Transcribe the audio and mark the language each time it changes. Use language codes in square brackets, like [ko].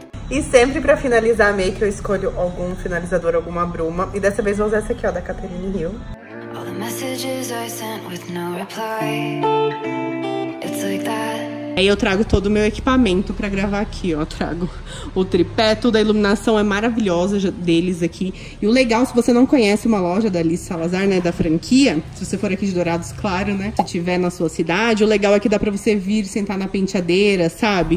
[pt] E sempre pra finalizar a make, eu escolho algum finalizador, alguma bruma. E dessa vez vou usar essa aqui, ó, da Catherine Hill. [en] All the messages I sent with no reply. [pt] Aí eu trago todo o meu equipamento pra gravar aqui, ó. Trago o tripé, toda a iluminação é maravilhosa deles aqui. E o legal, se você não conhece uma loja da Liz Salazar, né, da franquia, se você for aqui de Dourados, claro, né, se tiver na sua cidade, o legal é que dá pra você vir sentar na penteadeira, sabe?